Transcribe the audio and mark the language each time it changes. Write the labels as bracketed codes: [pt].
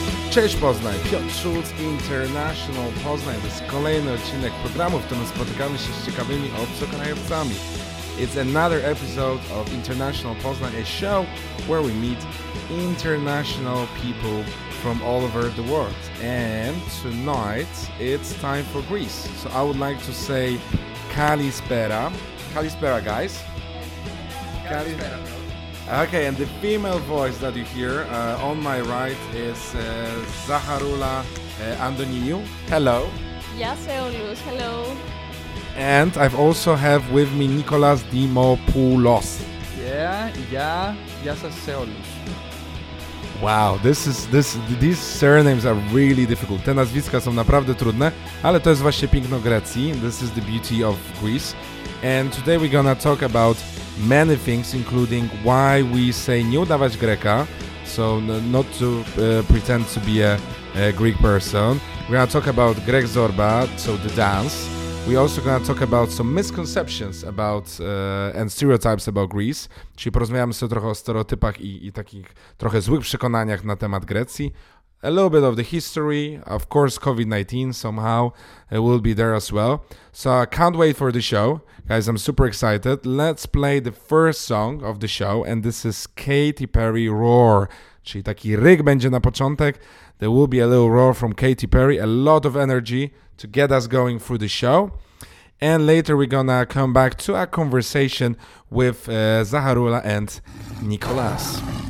[pl] Cześć Poznań, Piotr Szulc, International Poznań. To jest kolejny odcinek programu, w którym spotykamy się z ciekawymi obcokrajowcami. [en] It's another episode of International Poznań, a show where we meet international people from all over the world. And tonight, it's time for Greece. So I would like to say Kalispera. Kalispera, guys. [el] Kalispera. [en] Okay, and the female voice that you hear on my right is Zacharoula and Antoniou. Hello. Yes, Eolus. Hello. And I also have with me Nikolas Dimopoulos. Yes, Eolus. Wow, these surnames are really difficult. [pl] Te nazwiska są naprawdę trudne, ale to jest właśnie piękno Grecji. [en] This is the beauty of Greece. And today we're gonna talk about many things, including why we say [pl] nie udawać Greka, [en] so not to pretend to be a Greek person. We're gonna talk about Grek Zorba, so the dance. We're also gonna talk about some misconceptions about and stereotypes about Greece. [pl] Czyli porozmawiamy sobie trochę o stereotypach i takich trochę złych przekonaniach na temat Grecji. [en] A little bit of the history, of course COVID-19 somehow will be there as well. So I can't wait for the show. Guys, I'm super excited. Let's play the first song of the show, and this is Katy Perry Roar. [pl] Czyli taki ryk będzie na początek. [en] There will be a little roar from Katy Perry, a lot of energy to get us going through the show. And later we're gonna come back to our conversation with Zacharoula and Nikolas.